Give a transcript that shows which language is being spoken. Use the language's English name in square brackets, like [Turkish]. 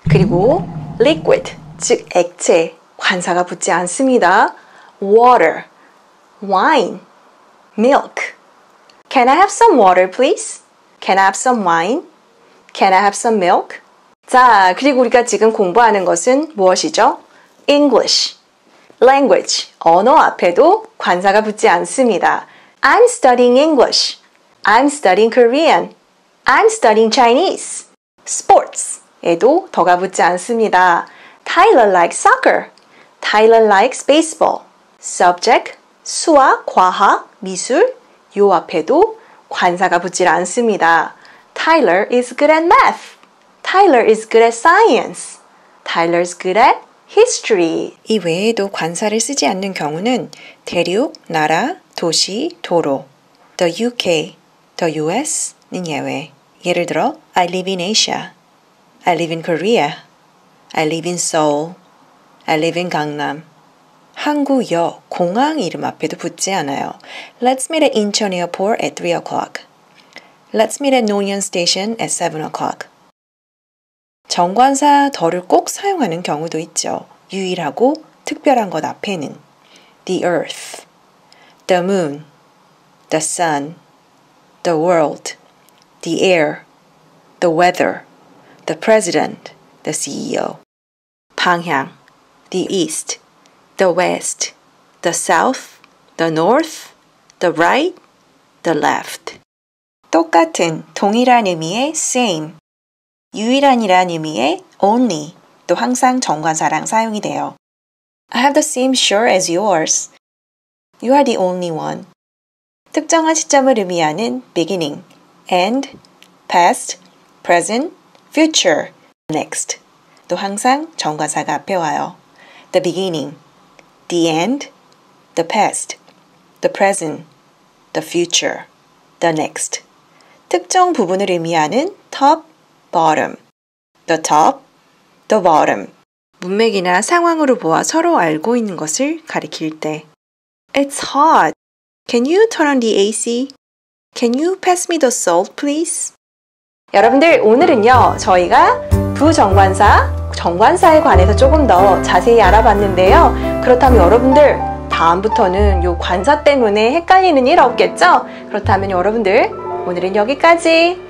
[Korean] 그리고 liquid, 즉 액체, 관사가 붙지 않습니다. [English] Water, wine, milk. Can I have some water, please? Can I have some wine? Can I have some milk? [Korean] 자, 그리고 우리가 지금 공부하는 것은 무엇이죠? English, language, 언어 앞에도 관사가 붙지 않습니다. [English] I'm studying English. I'm studying Korean. I'm studying Chinese. [Korean] Sports에도 더가 붙지 않습니다. [English] Tyler likes soccer. Tyler likes baseball. [Korean] Subject, 수학, 과학, 미술, 요 앞에도 관사가 붙질 않습니다. [English] Tyler is good at math. Tyler is good at science. Tyler is good at history. [Korean] 이 외에도 관사를 쓰지 않는 경우는 대륙, 나라, 도시, 도로, the UK, the US는 예외. 예를 들어, [English] I live in Asia. I live in Korea. I live in Seoul. I live in Gangnam. [Korean] 항구역, 공항 이름 앞에도 붙지 않아요. [English] Let's meet at Incheon Airport at 3 o'clock. Let's meet at Nonyeon Station at 7 o'clock. [Korean] 정관사 더를 꼭 사용하는 경우도 있죠. 유일하고 특별한 것 앞에는 [English] The Earth, The Moon, The Sun, The World, The Air, The Weather, The President, The CEO. 방향, The East, The West, The South, The North, The Right, The Left. [Korean] 똑같은, 동일한 의미의 same, 유일한이란 의미의 only, 또 항상 정관사랑 사용이 돼요. [English] I have the same shirt as yours. You are the only one. [Korean] 특정한 시점을 의미하는 [English] beginning, end, past, present, future, next. [Korean] 또 항상 정관사가 앞에 와요. [English] The beginning, the end, the past, the present, the future, the next. [Korean] 특정 부분을 의미하는 [English] top, bottom, the top, the bottom. [Korean] 문맥이나 상황으로 보아 서로 알고 있는 것을 가리킬 때. [English] It's hot. Can you turn on the AC? Can you pass me the salt, please? [Korean] 여러분들, 오늘은요, 저희가 부정관사, 정관사에 관해서 조금 더 자세히 알아봤는데요. 그렇다면 여러분들, 다음부터는 요 관사 때문에 헷갈리는 일 없겠죠? 그렇다면 여러분들, 오늘은 여기까지.